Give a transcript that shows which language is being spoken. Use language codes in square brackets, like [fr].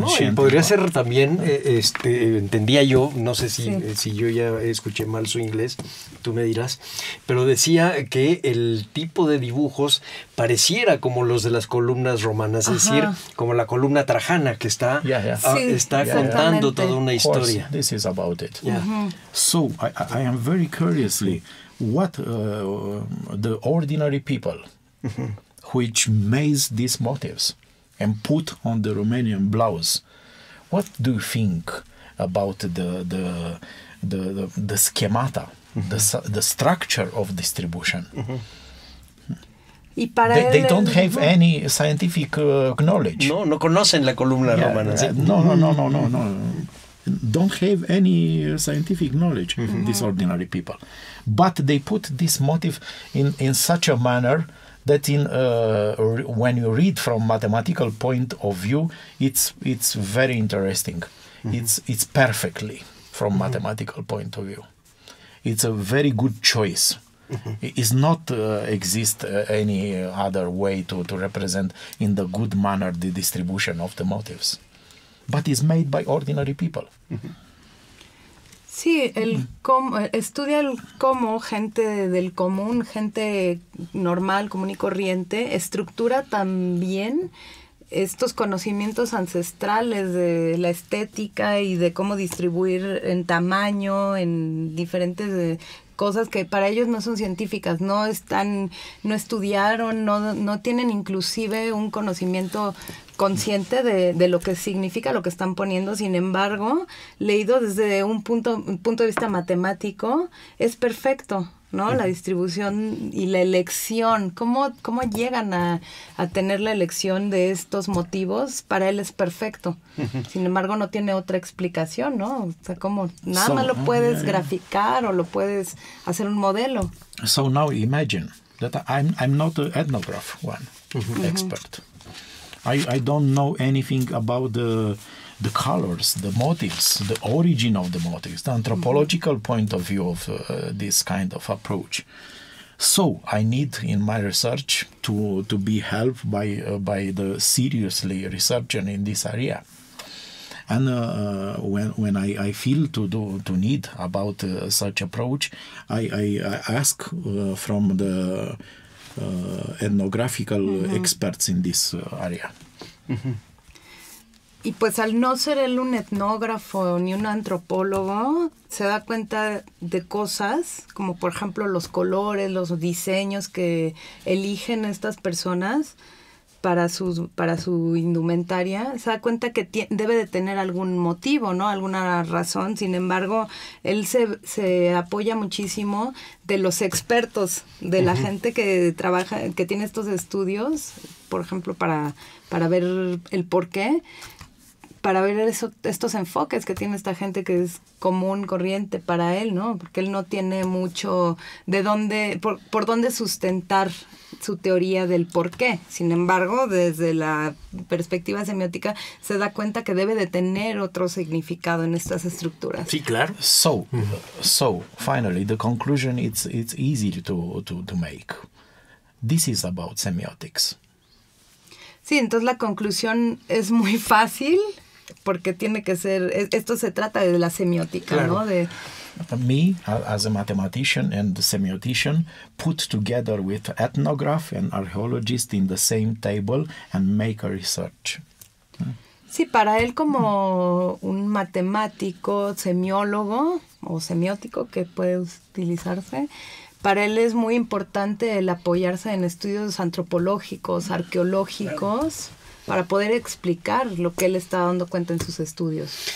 [es] No, y podría ser también, entendía yo, no sé si yo ya escuché mal su inglés, tú me dirás, pero decía que el tipo de dibujos pareciera como los de las columnas romanas, es decir, como la columna trajana que está, está contando toda una historia. [en] Of course, this is about it. So, I am very curiously, what the ordinary people... which made these motifs and put on the Romanian blouse. What do you think about the schemata, the structure of distribution? [es] Y para [en] they don't have any scientific knowledge. [es] No conocen la columna romana. No. [en] Don't have any scientific knowledge, these ordinary people. But they put this motif in such a manner that when you read from mathematical point of view, it's very interesting. It's perfectly from mathematical point of view. It's a very good choice. It's not exist any other way to represent in the good manner the distribution of the motifs, but it's made by ordinary people. [es] Sí, estudia el cómo gente del común, gente normal, común y corriente, estructura también estos conocimientos ancestrales de la estética y de cómo distribuir en tamaño, en diferentes cosas que para ellos no son científicas, no estudiaron, no tienen inclusive un conocimiento consciente de lo que significa lo que están poniendo. Sin embargo, leído desde un punto de vista matemático, es perfecto, ¿no? La distribución y la elección, ¿cómo llegan a tener la elección de estos motivos? Para él es perfecto. Sin embargo, no tiene otra explicación, ¿no? O sea, ¿cómo? Nada más lo puedes graficar o lo puedes hacer un modelo. [en] So now imagine that I'm not an ethnograph one expert. I don't know anything about the colors, the motifs, the origin of the motifs, the anthropological point of view of this kind of approach. So I need in my research to be helped by the seriously researching in this area. And when I feel to need about such approach, I ask from the ethnographical experts in this area. [es] Y pues al no ser él un etnógrafo ni un antropólogo, se da cuenta de cosas como, por ejemplo, los colores, los diseños que eligen estas personas para su indumentaria. Se da cuenta que debe de tener algún motivo, ¿no? Alguna razón. Sin embargo, él se apoya muchísimo de los expertos, de la gente que trabaja, que tiene estos estudios, por ejemplo, para ver el porqué. Para ver eso, estos enfoques que tiene esta gente que es común, corriente para él, ¿no? Porque él no tiene mucho de dónde, por dónde sustentar su teoría del por qué. Sin embargo, desde la perspectiva semiótica, se da cuenta que debe de tener otro significado en estas estructuras. Sí, claro. [en] So, finally, the conclusion it's easy to make. This is about semiotics. [es] Sí, entonces la conclusión es muy fácil. Porque tiene que ser, esto se trata de la semiótica, claro. ¿No? De [en] me as a mathematician and a semiotician put together with ethnograph and archaeologist in the same table and make a research. [es] Sí, para él como un matemático, semiólogo o semiótico que puede utilizarse, para él es muy importante el apoyarse en estudios antropológicos, arqueológicos. Claro. Para poder explicar lo que él está dando cuenta en sus estudios.